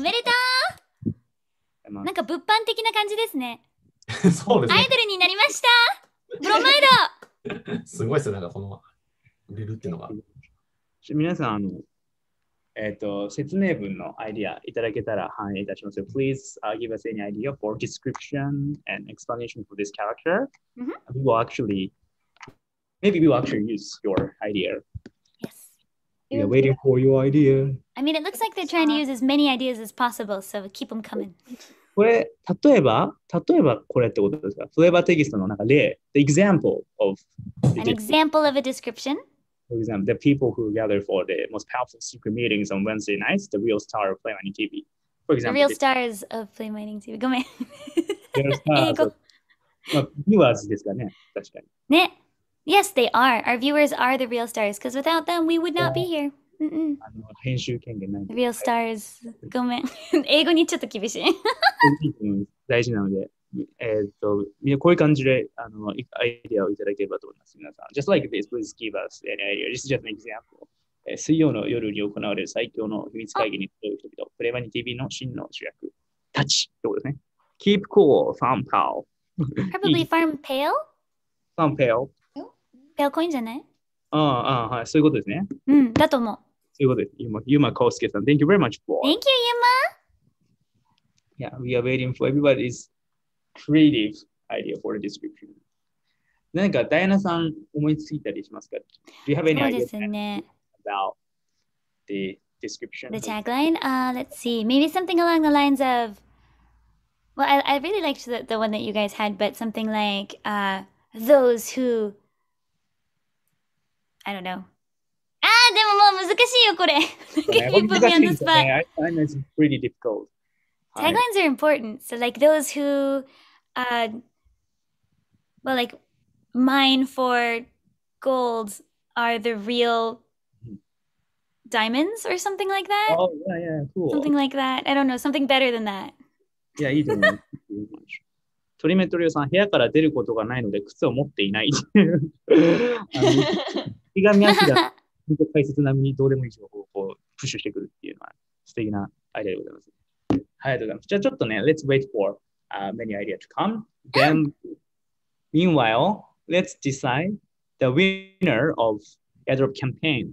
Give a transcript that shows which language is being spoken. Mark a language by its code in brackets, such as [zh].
[ja] おめでとう。なんか物販的な感じですね。そうですね。アイドルになりました。ブロマイド。すごいですね、なんかこの売れるっていうのが。皆さん、説明文のアイディアいただけたら反映いたしますよ。 [en] Please give us any idea for description and explanation for this character.、 Mm-hmm. Maybe we will actually use your idea. Yes. We are waiting for your idea. I mean, it looks like they're trying to use as many ideas as possible, so keep them coming. [ja] これ、例えばこれってことですか? [en] Flavor text [ja] のなんか例、 [en] the example of... An example of a description? For example, the people who gather for the most powerful secret meetings on Wednesday nights, the real star of Play Mining TV. For example, the real stars of Play Mining TV. [ja] ごめん。 [en] The real stars of viewers [ja] ですかね、確かに。 [en] ね。Yes, they are. Our viewers are the real stars, because without them, we would not be here. [ja] あの編集権限ない。 [en] The real stars. [ja] ごめん。英語にちょっと厳しい。大事なので。みんなこういう感じであのアイディアをいただければと思います皆さん [en] Just like this, please give us an idea This is just an example、 [ja] 水曜の夜に行われる最強の秘密会議に集う人々プレマニ TV の真の主役たちってことですね [en] Keep cool, farm pal Probably farm pale? Farm pale [ja] Pale coin じゃないああ、はい、そういうことですねうん、だと思うそういうことです、ユマコウスケさん [en] Thank you very much for Thank you, Yuma Yeah, we are waiting for everybody'sCreative idea for the description. [ja] 何かダイアナさん思いついたりしますか? [en] Do you have any ideas、ね、 about the description? The tagline?、Let's see. Maybe something along the lines of... Well, I really liked the one that you guys had, but something like、those who... I don't know. Ah, [ja] でももう難しいよこれ [en] You put me on the spot. I find it's pretty difficult. Taglines are important. So like those who... well, like, mine for gold are the real diamonds or something like that? Oh, yeah, cool. Something like that. I don't know, something better than that. [ja] Yeah, いいと思います。トリメトリオさん、部屋から出ることがないので靴を持っていない。ひがみ足が解説並みにどうでもいい情報をこうプッシュしてくるっていうのは素敵なアイデアでございます。はい、ありがとうございます。じゃあちょっとね、 [en] Let's wait for... many ideas to come. Then, meanwhile, let's decide the winner of airdrop campaign.